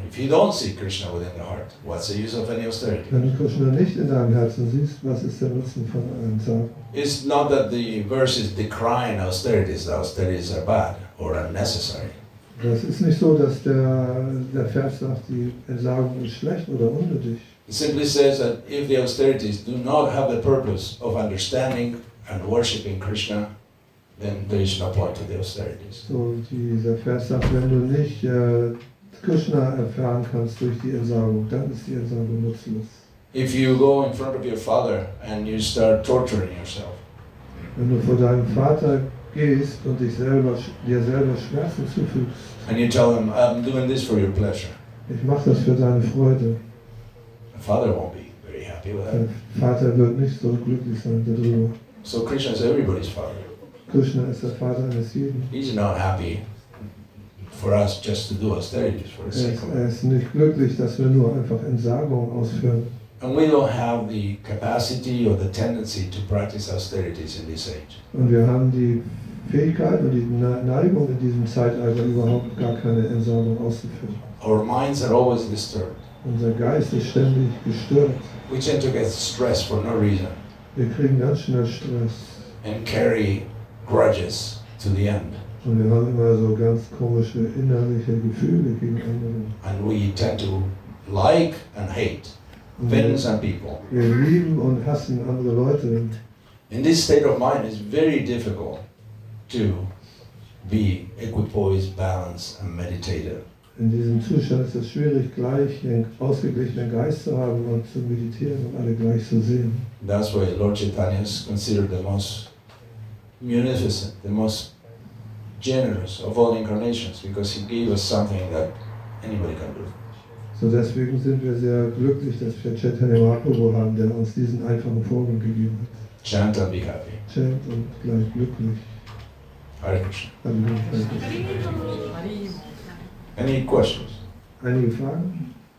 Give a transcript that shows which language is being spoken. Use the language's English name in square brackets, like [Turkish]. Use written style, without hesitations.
[English] If you don't see Krishna within your heart, what's the use of any austerity? [German] Wenn du Krishna nicht in deinem Herzen siehst, was ist der Nutzen von Entsagung? [English] It's not that the verse is decrying austerities, that austerities are bad or unnecessary. [German] Das ist nicht so, dass der Vers sagt, die Entsagung ist schlecht oder unnötig. [English] It simply says that if the austerities do not have the purpose of understanding and worshipping Krishna, then there is no point to the austerities. [German] So dieser Vers sagt, wenn du nicht Krishna erfahren kannst durch die Entsagung, dann ist die Entsagung nutzlos. [English] If you go in front of your father and you start torturing yourself, [German] wenn du vor deinem Vater gehst und dir selber Schmerzen zufügst, [English] and you tell him, I'm doing this for your pleasure, [German] ich mache das für deine Freude, [English] the father won't be very happy with that. [German] Der Vater wird nicht so glücklich sein darüber. [English] So Krishna is everybody's father. [German] Krishna ist der Vater eines jeden. [English] He's not happy for us just to do austerities for the sake of it. [German] Er ist nicht glücklich, dass wir nur einfach Entsagung ausführen. [English] And we don't have the capacity or the tendency to practice austerities in this age. [German] Und wir haben die Fähigkeit und die Neigung in diesem Zeitalter überhaupt gar keine Entsagung auszuführen. [English] Our minds are always disturbed. [German] Unser Geist ist ständig gestört. [English] We tend to get stressed for no reason. [German] Wir kriegen ganz schnell Stress. [English] And carry grudges to the end. [German] Und wir haben immer so ganz komische innerliche Gefühle gegen andere. [English] And we tend to like and hate. offend some people. [German] Wir lieben und hassen andere Leute. [English] In this state of mind is very difficult to be equipoised, balanced and meditative. [German] In diesem Zustand ist es schwierig, gleich einen ausgeglichenen Geist zu haben und zu meditieren und alle gleich zu sehen. [English] That's why Lord Chaitanya is considered the most munificent, the most generous of all incarnations, because he gave us something that anybody can do. [German] So deswegen sind wir sehr glücklich, dass wir Chaitanya Mahaprabhu haben, der uns diesen einfachen Vorgang gegeben hat. [English] Chant and be happy. [German] Chant und gleich glücklich. [Sanskrit] Hare Krishna. Hare Krishna. Hare Krishna. [English] Any questions? [German] Any fragen?